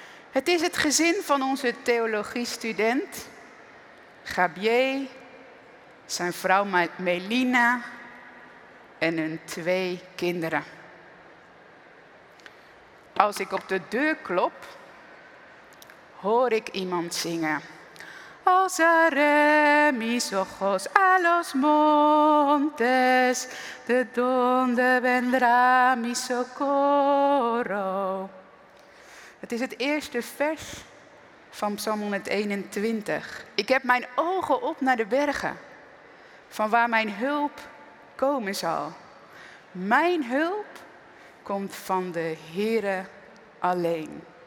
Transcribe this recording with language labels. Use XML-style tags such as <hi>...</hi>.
<nl>Het is het gezin van onze theologiestudent Gabier, zijn vrouw Melina en hun twee kinderen. Als ik op de deur klop, hoor ik iemand zingen.</nl> <es>Osare mis ojos a los montes, de donde vendrá mi socorro.</es> <nl>Het is het eerste vers van Psalm 121. Ik heb mijn ogen op naar de bergen, van waar mijn hulp komen zal. Mijn hulp komt van de Heere alleen.</nl>